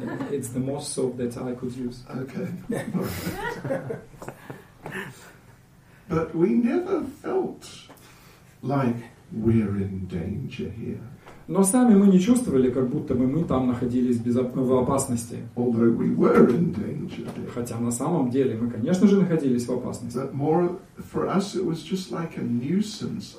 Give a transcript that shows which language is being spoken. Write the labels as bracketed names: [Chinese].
[English] It's the most soap that I could use. Okay. But we never felt like we're in danger here. [Russian] Но сами мы не чувствовали, как будто бы мы там находились в опасности. [English] Although we were in danger. [Russian] Хотя на самом деле мы, конечно же, находились в опасности. [English] But more for us it was just like a nuisance.